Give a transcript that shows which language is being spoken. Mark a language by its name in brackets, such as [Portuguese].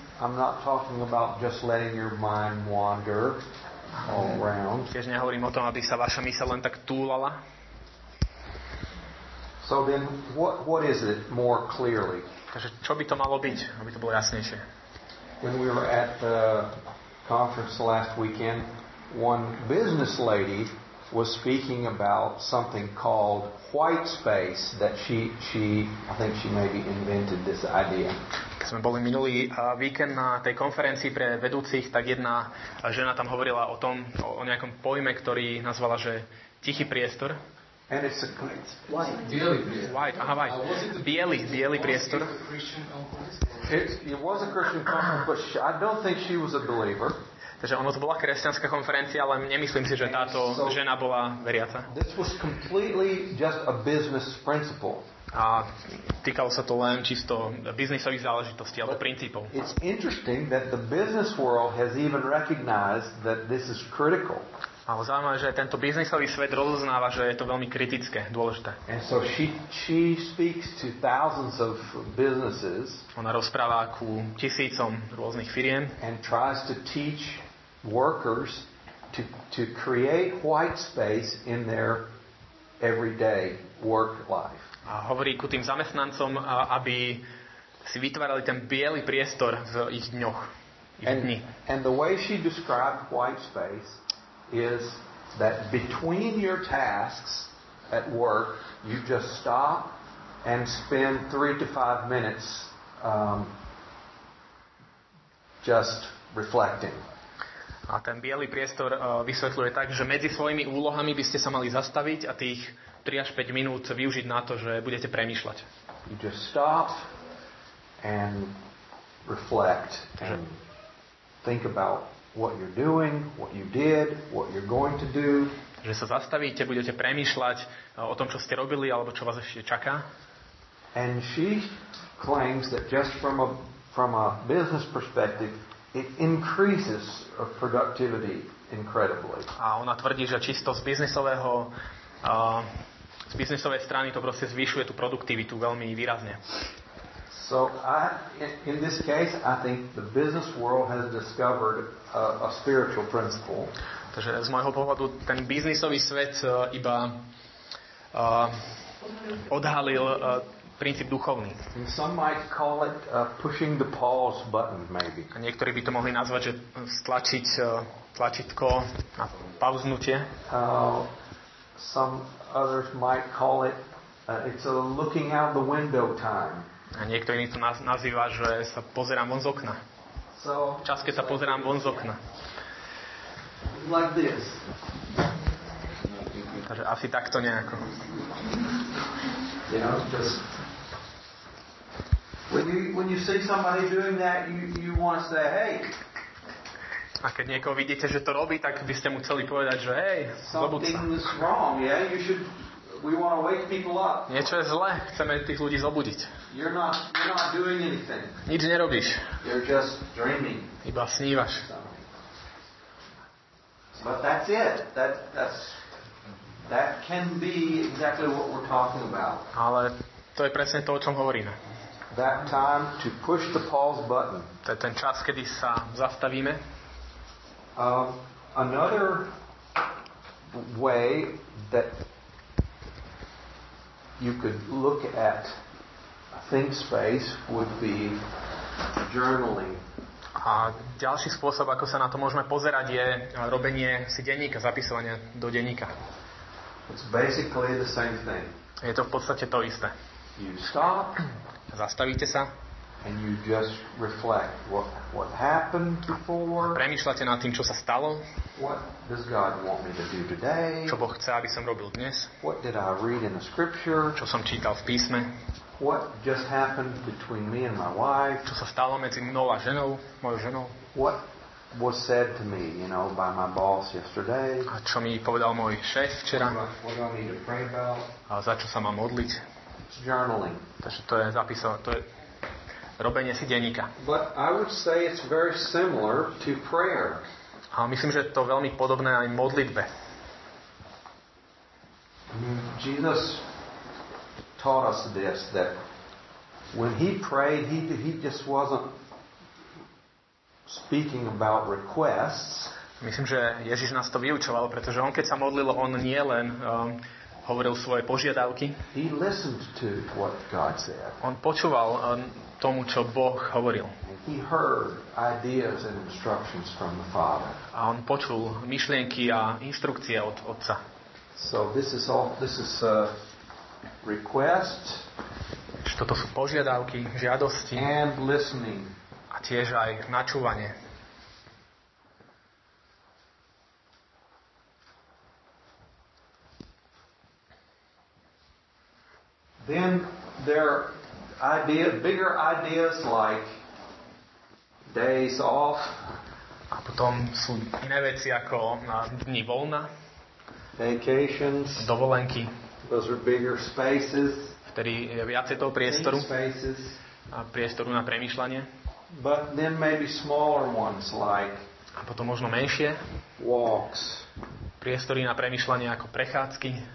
[English] I'm not talking about just letting your mind wander all around. [Slovak] Tiež nehovorím o tom, aby sa vaša myseľ len tak túlala. [English] So then what is it more clearly? [Slovak] Takže čo by to malo byť, aby to bolo jasnejšie? [English] When we were at the conference last weekend, one business lady was speaking about something called white space that she I think she maybe invented this idea. [Slovak] Keď sme boli minulý víkend na tej konferencii pre vedúcich, tak jedna žena tam hovorila o tom, o nejakom pojme, ktorý nazvala, že tichý priestor. [English] And it's a great white. [Slovak] Aha, white. Bielý priestor. [English] It was a Christian conference, but I don't think she was a believer. [Slovak] Takže ono to bola kresťanská konferencia, ale nemyslím si, že táto žena bola veriaca. [English] This was completely just a business principle. [Slovak] A týkalo sa to len čisto biznisových záležitostí alebo princípov. [English] It's interesting that the business world has even recognized that this is critical. [Slovak] A zaujímavé, že tento biznisový svet rozoznáva, že je to veľmi kritické, dôležité. [English] And so she speaks to thousands of businesses. [Slovak] Ona rozpráva ku tisícom rôznych firiem. [English] And tries to teach workers to create white space in their everyday work life. [Slovak] A hovorí ku tým zamestnancom, aby si vytvárali ten biely priestor v ich dňoch, ich dni. [English] And the way she described white space is that between your tasks at work, you just stop and spend 3 to 5 minutes just reflecting. [Slovak] A ten biely priestor vysvetľuje tak, že medzi svojimi úlohami by ste sa mali zastaviť a tých 3 až 5 minút využiť na to, že budete premýšľať. [English] You just stop and reflect and think about what you're doing, what you did, what you're going to do. [Slovak] Že sa zastavíte, budete premýšľať o tom, čo ste robili alebo čo vás ešte čaká. [English] And she claims that just from a business perspective, it increases productivity incredibly. [Slovak] A ona tvrdí, že čisto z biznisového z biznisovej strany to proste zvyšuje tú produktivitu veľmi výrazne. [English] So in this case I think the business world has discovered a spiritual principle. [Slovak] Takže z môjho pohľadu ten biznisový svet iba odhalil princíp duchovný. [English] And some might call it pushing the pause button maybe. [Slovak] A niektorí by to mohli nazvať, že stlačiť tlačítko na pauznutie. [English] Some others might call it it's a looking out the window time. [Slovak] A niekto iný to nazýva, že sa pozerám von z okna. Čas, keď sa pozerám von z okna. [English] Like this. [Slovak] Takže asi takto nejako. [English] You know, just when you see somebody doing that, you want to say, hey. [Slovak] A keď niekoho vidíte, že to robí, tak by ste mu chceli povedať, že hej, zobud sa. [English] Something is wrong, yeah? You should, we want to wake people up. [Slovak] Niečo je zlé, chceme tých ľudí zobudiť. [English] You're not doing anything. [Slovak] Nič nerobíš. [English] You're just dreaming. [Slovak] Iba snívaš. [English] But that's it. That can be exactly what we're talking about. [Slovak] Ale to je presne to, o čom hovoríme. [English] That time to push the pause button. [Slovak] To je ten čas, kedy sa zastavíme. [English] Another way that you could look at think space would be journaling. [Slovak] A ďalší spôsob, ako sa na to môžeme pozerať, je robenie si denníka, zapisovanie do denníka. [English] It's basically the same thing. [Slovak] Je to v podstate to isté. [English] You stop. [Slovak] Zastavíte sa. [English] And you just reflect what happened before. [Slovak] Premýšľate nad tým, čo sa stalo. [English] What does God want me to do today? [Slovak] Čo Boh chce, aby som robil dnes? [English] What did I read in the scripture? [Slovak] Čo som čítal v písme? [English] What just happened between me and my wife? [Slovak] Čo sa stalo medzi mnou a ženou, mojou ženou? [English] What was said to me, you know, by my boss yesterday? [Slovak] A čo mi povedal môj šéf včera? [English] What do I need to pray about? [Slovak] A za čo sa mám modliť? [English] It's journaling. [Slovak] Takže to je zapisovať, to je robenie si denníka. [English] But I would say it's very similar to prayer. [Slovak] A myslím, že je to veľmi podobné aj modlitbe. [English] Jesus taught us this, that when he prayed, he just wasn't speaking about requests. [Slovak] Myslím, že Ježiš nás to vyučoval, pretože on keď sa modlil, on nie len hovoril svoje požiadavky. [English] He listened to what God said. [Slovak] On počúval tomu, čo Boh hovoril. [English] He heard ideas and instructions from the Father. [Slovak] A on počul myšlienky a inštrukcie od Otca. [English] So this is a request. [Slovak] Toto sú požiadavky, žiadosti. [English] And listening. [Slovak] A tiež aj načúvanie. [English] Then there bigger ideas like days off. [Slovak] A potom sú iné veci ako dni voľna. [English] Vacations. [Slovak] Dovolenky. [English] Those are bigger spaces. [Slovak] Vtedy je viacej toho priestoru. [English] Spaces. [Slovak] A priestoru na premýšľanie. [English] But then maybe smaller ones like. [Slovak] A potom možno menšie. [English] Walks. [Slovak] Priestory na premýšľanie ako prechádzky.